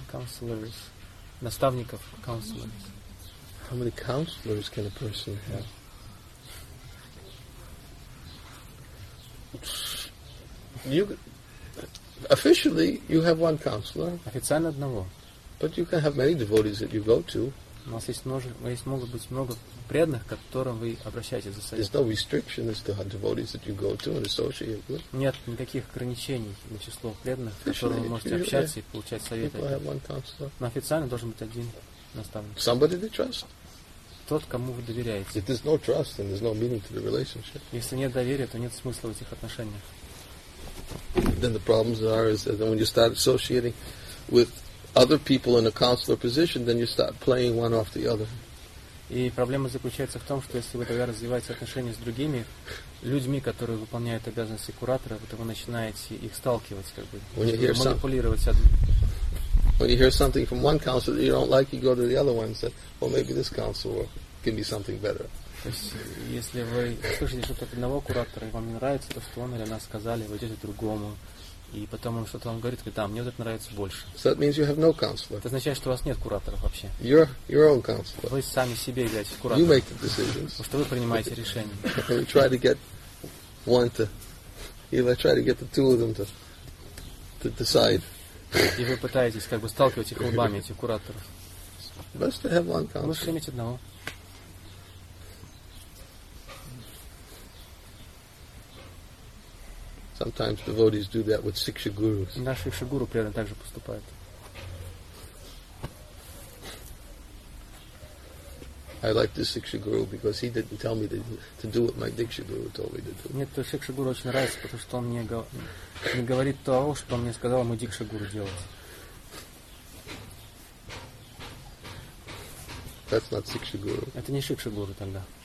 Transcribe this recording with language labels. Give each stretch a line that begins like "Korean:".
English: Counselors.
Russian: Наставников,
English: counselors. How many counselors can a person have? You officially you have one counselor.
Russian: Официально одного.
English: But you can have many devotees that you go to.
Russian: У вас есть могут быть много преданных, к которым вы обращаетесь за советом.
English: There's no restriction as to how devotees that you go to and associate with.
Russian: Нет никаких ограничений на число преданных, с которыми вы можете общаться и получать советы.
English: People have one counselor.
Russian: Но официально должен быть один наставник.
English: Somebody they trust.
Russian: Тот, кому вы доверяете.
English: If there's no trust, then there's no meaning to the relationship.
Russian: Если нет доверия, то нет смысла в этих отношениях.
English: Then the problems are is that when you start associating with other people in a counselor position, then you start playing one off the other.
Russian: И проблема заключается в том, что если вы тогда развиваете отношения с другими людьми, которые выполняют обязанности куратора, то вы начинаете их сталкивать, как бы, манипулировать одним.
English: When you hear something from one counselor that you don't like, you go to the other one and say, well, maybe this counselor can be something better.
Russian: То есть, если вы слышите что-то от одного куратора, и вам не нравится то, что он или она сказали, вы идете к другому, и потом он что-то вам говорит, говорит, да, мне вот это нравится больше.
English: So that means you have no counselor.
Russian: Это означает, что у вас нет кураторов вообще.
English: Your own counselor.
Russian: Вы сами себе являетесь куратором.
English: You make the decisions.
Russian: Потому что вы принимаете решения.
English: And we try to get one to... Either I try to get the two of them to decide.
Russian: И вы пытаетесь как бы сталкивать их лбами, этих кураторов.
English: Best to have one counselor.
Russian: Лучше иметь одного.
English: Sometimes devotees do that with siksha gurus.
Russian: Наши шигуру преданные также поступают.
English: I like this siksha guru because he didn't tell me to do what my diksha guru told me to do.
Russian: Мне этот siksha guru очень нравится, потому что он мне не говорит то, что мне сказал мой диксха гуру делать.
English: That's not siksha guru.
Russian: Это не siksha guru тогда.